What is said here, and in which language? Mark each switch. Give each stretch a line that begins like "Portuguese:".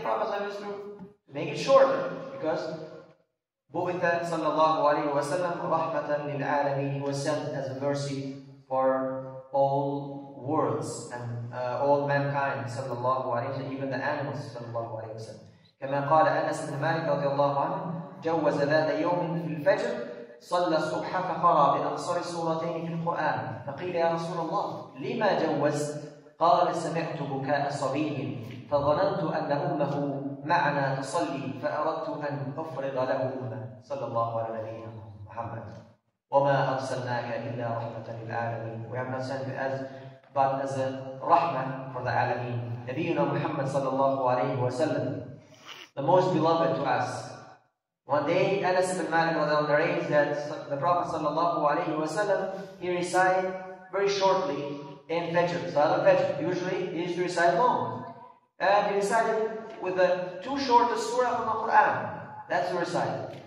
English: The Prophet used to make it shorter because
Arabic: بُوِثَ صلى الله عليه وسلم رحمة للعالمين,
English: he was sent as a mercy for all worlds and all mankind صلى الله عليه وسلم, even the animals صلى الله عليه وسلم.
Arabic: كما قال أنس بن مالك رضي الله عنه جوز ذات يوم في الفجر صلى الصبح فقرأ بأقصر سورتين في القرآن فقيل يا رسول الله لما جوز؟ قال سمعت بكاء صبي فظننت أن أمه معنا تصلي فأردت أن أفرغ له صلى الله على نبينا محمد وما أرسلناك إلا رحمة للعالمين.
English: We have not sent you as but as a rahmah for the alameen.
Arabic: نبينا محمد صلى الله عليه وسلم,
English: the most beloved to us. One day Anas ibn Malik was on the range that the Prophet صلى الله عليه وسلم, he recited very shortly in Fajr, Salah Fajr. Usually he used to recite long, and he recited with the two shortest surah from the Quran. That's the recital.